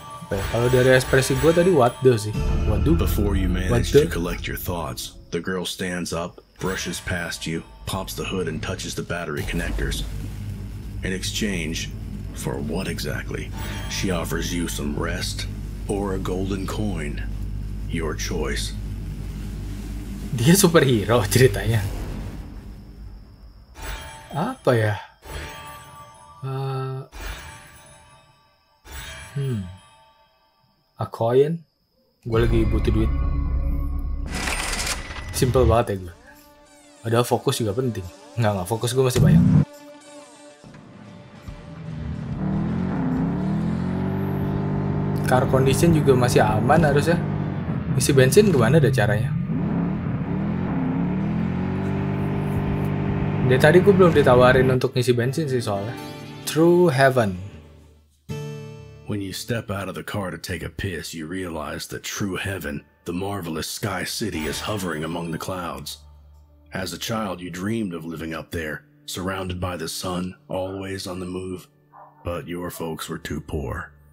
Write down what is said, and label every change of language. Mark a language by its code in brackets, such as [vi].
[id] Kalau dari ekspresi gue tadi, waduh sih. Waduh. [en] Before you manage to collect your thoughts, the girl stands up, brushes past you, pops the hood and touches the battery connectors. In exchange, for what exactly? She offers you some rest or a golden coin. Your choice. [id] Dia superhero ceritanya. Apa ya? [en] A coin? [id] Gue lagi butuh duit. Simple banget ya gue. Padahal fokus juga penting. Nggak, fokus gue masih banyak. [en] Car condition [id] juga masih aman harusnya. Isi bensin gimana deh caranya? Dari tadi gue belum ditawarin untuk ngisi bensin sih soalnya. [en] True heaven. When you step out of the car to take a piss, you realize that true heaven, the marvelous sky city, is hovering among the clouds. As a child, you dreamed of living up there, surrounded by the sun, always on the move. But your folks were too poor.